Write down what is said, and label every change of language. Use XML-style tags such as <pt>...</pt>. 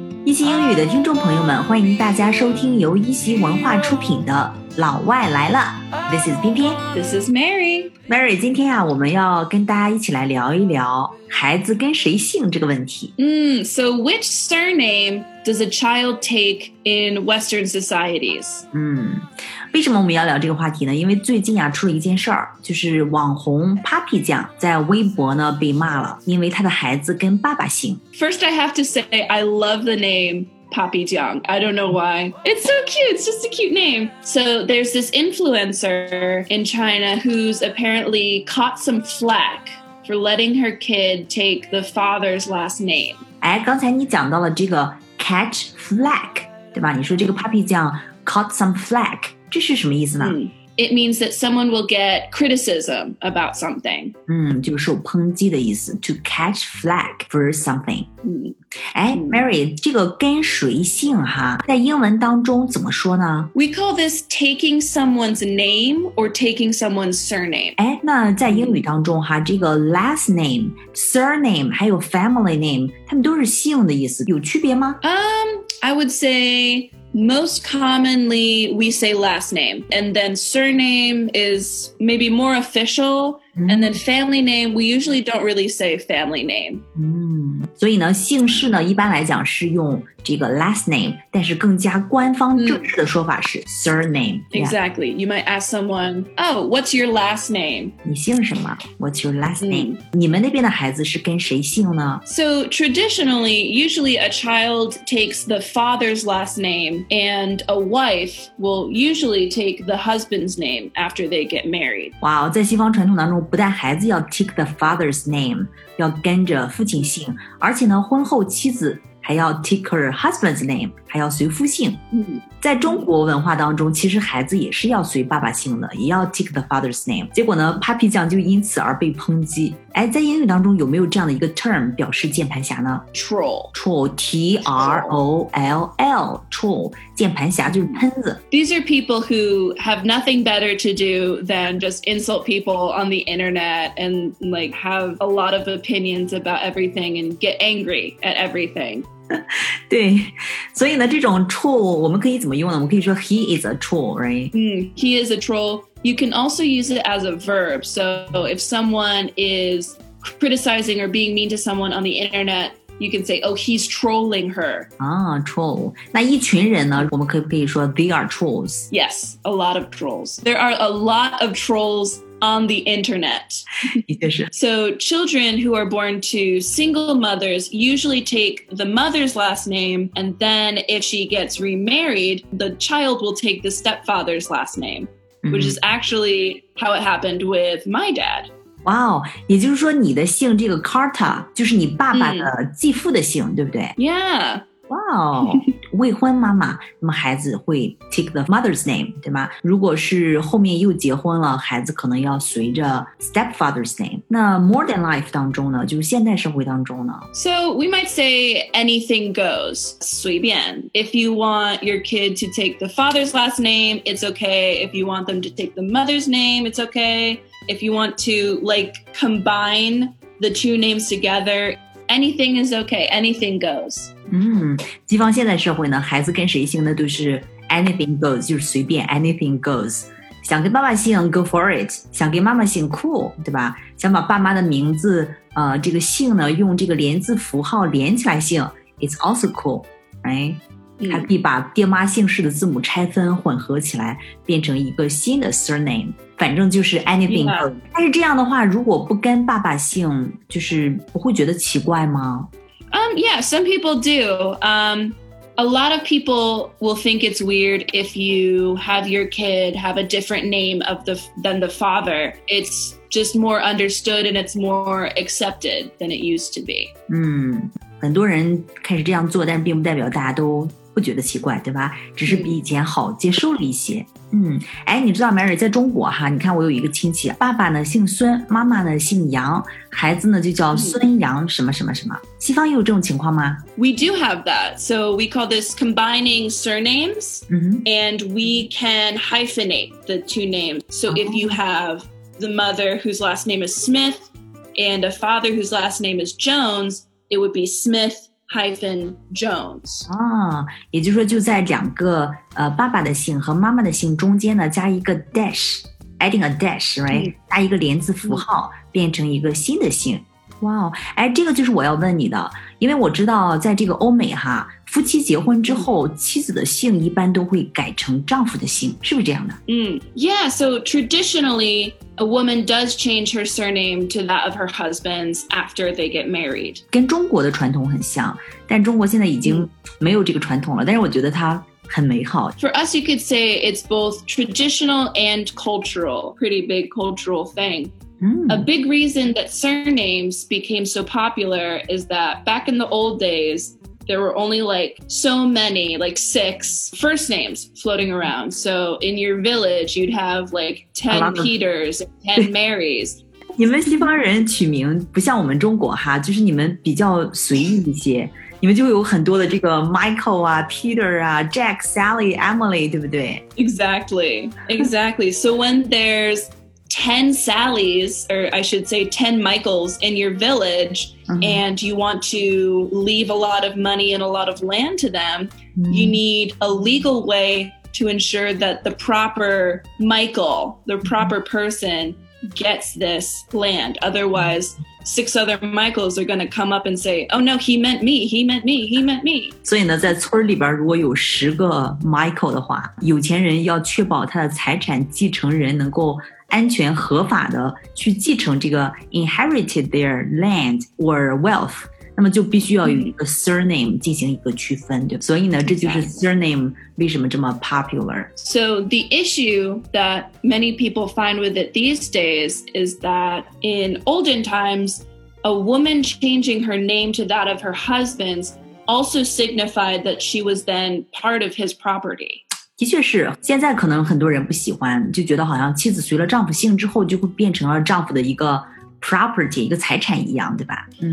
<zh>EC 英语的听众朋友们，欢迎大家收听由 EC 文化出品的《老外来了》。</zh> <en>This is 彬彬。 This is Mary.</en> <zh>Mary, 今天啊，我们要跟大家一起来聊一聊孩子跟谁姓这个问题。</zh> <en>So which surname does a child take in Western societies?</en> <zh>为什么我们要聊这个话题呢？因为最近啊，出了一件事儿，就是网红 Papi 酱在微博呢被骂了，因为他的孩子跟爸爸姓。</zh> <en>First, I have to say, I love the name Papi 酱. I don't know why. It's so cute. It's just a cute name. So there's this influencer in China who's apparently caught some flack for letting her kid take the father's last name.</en> <zh>哎，刚才你讲到了这个</zh> <en>catch flack,</en> <zh>对吧？你说这个 Papi 酱</zh> <en>caught some flack.</en> <zh>这是什么意思呢？</zh> <en>It means that someone will get criticism about something.</en> <zh>就是受抨击的意思。</zh> <en>To catch flack for something.</en> <zh>Mary, 这个跟谁姓哈，在英文当中怎么说呢？</zh> <en>We call this taking someone's name or taking someone's surname.</en> <zh>哎，那在英语当中哈，这个 last name, surname, 还有 family name, 它们都是姓的意思，有区别吗？</zh> <en>I would say... Most commonly, we say last name, and then surname is maybe more official,and then family name, we usually don't really say family name.</en> <zh>所以呢，姓氏呢，一般来讲是用这个 last name, 但是更加官方正式的说法是 surname.</zh> <en>Exactly.、Yeah. You might ask someone, oh, what's your last name?</en> <zh>你姓什么？</zh> <en>What's your last name?、</en> <zh>你们那边的孩子是跟谁姓呢？</zh> <en>So traditionally, usually a child takes the father's last name, and a wife will usually take the husband's name after they get married.</en> <zh>Wow, 在西方传统当中，不但孩子要</zh> <en>take the father's name,</en> <zh>要跟着父亲姓，而且呢，婚后妻子还要</zh> <en>take her husband's name,</en> <zh>还要随夫姓。在中国文化当中，其实孩子也是要随爸爸姓的，也要</zh> <en>take the father's name。</en> <zh>结果呢 ，Papi 酱就因此而被抨击。哎，在英语当中有没有这样的一个 term 表示键盘侠呢</zh> <en>？Troll, T-R-O-L-L, troll,</en> <zh>键盘侠就是喷子。</zh> <en>These are people who have nothing better to do than just insult people on the internet and like have a lot of opinions about everything and get angry at everything.</en> <zh>对，所以呢，这种 troll 我们可以怎么用呢？我们可以说</zh> <en>he is a troll, right? He is a troll. You can also use it as a verb. So if someone is criticizing or being mean to someone on the internet, you can say, oh, he's trolling her. Troll.</en> <zh>那一群人呢，我们可以说</zh> <en>they are trolls. Yes, a lot of trolls. There are a lot of trolls. On the internet. So children who are born to single mothers usually take the mother's last name, and then if she gets remarried, the child will take the stepfather's last name, which is actually how it happened with my dad.</en> <zh>Wow, 也就是说你的姓这个 Carter 就是你爸爸的继父的姓，对不对？</zh> <en>Yeah.</en> <zh>Wow, 未婚妈妈，那么孩子会</zh> <en>take the mother's name,</en> <zh>对吗？如果是后面又结婚了，孩子可能要随着</zh> <en>stepfather's name.</en> <zh>那</zh> <en>modern life</en> <zh>当中呢，就是现代社会当中呢？</zh> <en>So we might say anything goes,</en> <zh>随便。</zh> <en>If you want your kid to take the father's last name, it's okay. If you want them to take the mother's name, it's okay. If you want to like combine the two names together, anything is okay, anything goes.</en> <zh>西方现代社会呢，孩子跟谁姓呢都是</zh> <en>anything goes,</en> <zh>就是随便 anything goes, 想跟爸爸姓</zh> <en>go for it,</en> <zh>想跟妈妈姓 cool, 对吧，想把爸妈的名字这个姓呢用这个连字符号连起来姓</zh> <en>it's also cool, right?</en> <zh>还可以把爹妈姓氏的字母拆分混合起来变成一个新的 surname, 反正就是</zh> <en>anything goes.</en> <zh>但是这样的话如果不跟爸爸姓就是不会觉得奇怪吗？</zh> <en>Yeah, some people do. A lot of people will think it's weird if you have your kid have a different name of the, than the father. It's just more understood and it's more accepted than it used to be.</en> <zh>很多人开始这样做，但并不代表大家都不觉得奇怪，对吧？只是比以前好接受了一些。哎，你知道 Mary 在中国哈，你看我有一个亲戚，爸爸呢姓孙，妈妈呢姓杨，孩子呢就叫孙杨什么什么什么。西方也有这种情况吗？</zh> <en>We do have that. So we call this combining surnames, and we can hyphenate the two names. So if you have the mother whose last name is Smith, and a father whose last name is Jones, it would be Smith hyphen Jones.</en> <zh>啊，也就是说就在两个爸爸的姓和妈妈的姓中间呢加一个 dash,</zh> <en>adding a dash, right?、</en> <zh>加一个连字符号、变成一个新的姓。哇、哎，这个就是我要问你的，因为我知道在这个欧美哈，夫妻结婚之后，妻子的姓一般都会改成丈夫的姓，是不是这样的？</zh> <en>嗯、yeah, so traditionally, a woman does change her surname to that of her husband's after they get married.</en> <zh>跟中国的传统很像，但中国现在已经没有这个传统了，但是我觉得它很美好。</zh> <en>For us, you could say it's both traditional and cultural, pretty big cultural thing. A big reason that surnames became so popular is that back in the old days, there were only like so many, like six first names floating around. So in your village, you'd have like 10 Peters, 10 Marys. 你们西方人取名不像我们中国哈，就是你们比较随意一些，你们就会有很多的这个 Michael 啊 Peter 啊 Jack, Sally, Emily, 对不对 Exactly, exactly. So when there's 10 Sallys, or I should say 10 Michaels in your village,、and you want to leave a lot of money and a lot of land to them,、you need a legal way to ensure that the proper Michael, the proper person, gets this land. Otherwise, six other Michaels are going to come up and say, oh no, he meant me, he meant me, he meant me.</en> <zh>所以呢在村里边如果有十个 Michael 的话有钱人要确保他的财产继承人能够安全合法的去继承这个</zh> <en>inherited their land or wealth,</en> <zh>那么就必须要有一个 surname 进行一个区分，对吧？所以呢，这就是 surname 为什么这么 popular.</zh> <en>So the issue that many people find with it these days is that in olden times, a woman changing her name to that of her husband's also signified that she was then part of his property.</en> <zh>的确是现在可能很多人不喜欢就觉得好像妻子随了丈夫姓之后就会变成了丈夫的一个 property, 一个财产一样对吧、</zh>